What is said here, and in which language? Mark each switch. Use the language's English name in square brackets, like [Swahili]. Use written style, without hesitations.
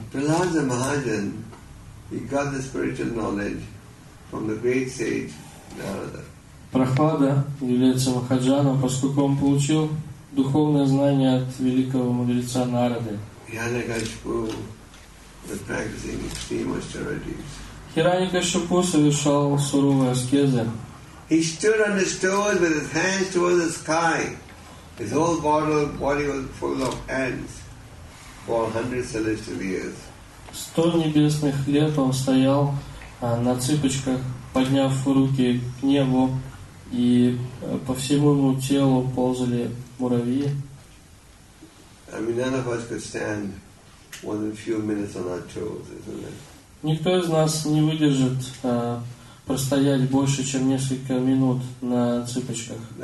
[English] Prahlad the Mahajan, he got the spiritual knowledge from the great sage Narada. [Russian] Прахлада является махаджаном, поскольку он получил духовное знание от великого мудреца Нарады. [English] Хиранякашипу was practicing extreme austerities. [Russian] Хиранякашипу совершал суровые аскезы. [English] He stood on his toes with his hands towards the sky. His whole body was full of ants for 100 celestial years. [Russian] 100 небесных лет он стоял на цыпочках, подняв руки к небу, и по всему его телу ползали муравьи. [English] I mean, none of us could stand more than a few minutes on our toes, isn't it? [Russian] Никто из нас не выдержит простоять больше, чем несколько минут на цыпочках.